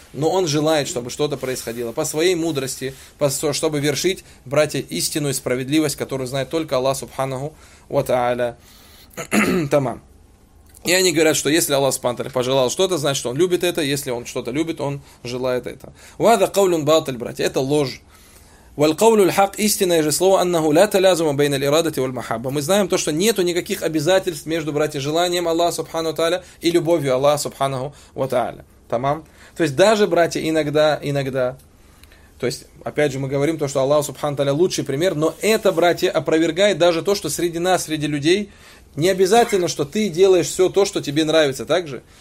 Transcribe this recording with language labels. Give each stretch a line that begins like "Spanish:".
Russian: Но он желает, чтобы что-то происходило. По своей мудрости, чтобы вершить, братья, истинную справедливость, которую знает только Аллах субханаху ва тааля. Тамам. И они говорят, что если Аллах субхана ва тааля пожелал что-то, значит, он любит это. Если он что-то любит, он желает это.
Arabic: Ва хаза каулюн батиль,
Russian: братья, это ложь.
Arabic: والقول الحق
Russian: истинное же слово
Arabic: انه لا تلازم بين الاراده والمحبه.
Russian: Мы знаем то, что нету никаких обязательств между, братья, желанием Аллаха субхана ва тааля и любовью Аллаха субханаху ва тааля. Тамам. То есть даже, братья, иногда, то есть, опять же, мы говорим то, что Аллах Субхану Таля лучший пример, но это, братья, опровергает даже то, что среди нас, среди людей, не обязательно, что ты делаешь все то, что тебе нравится, так же?